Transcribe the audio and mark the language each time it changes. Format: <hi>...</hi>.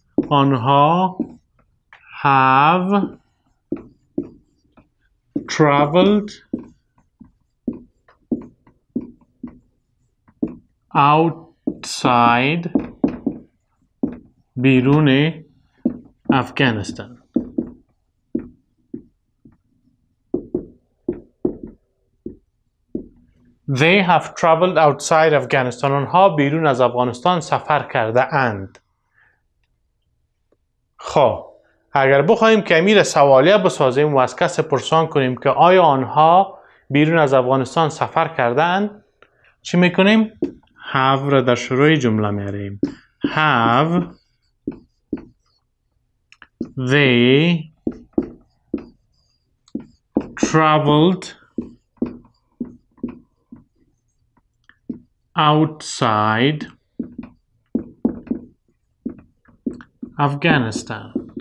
<fa>آنها</fa> <en>have traveled out</en> <fa>outside بیرون افغانستان.</fa> <en>They have traveled outside Afghanistan.</en> <fa>آنها بیرون از افغانستان سفر کرده اند. خب اگر بخوایم کمی را سوالیه بسازیم و از کس پرسان کنیم که آیا آنها بیرون از افغانستان سفر کرده اند، چی میکنیم؟ Have را در شروع جمله میاریم.</fa> <en>Have they traveled outside Afghanistan.</en>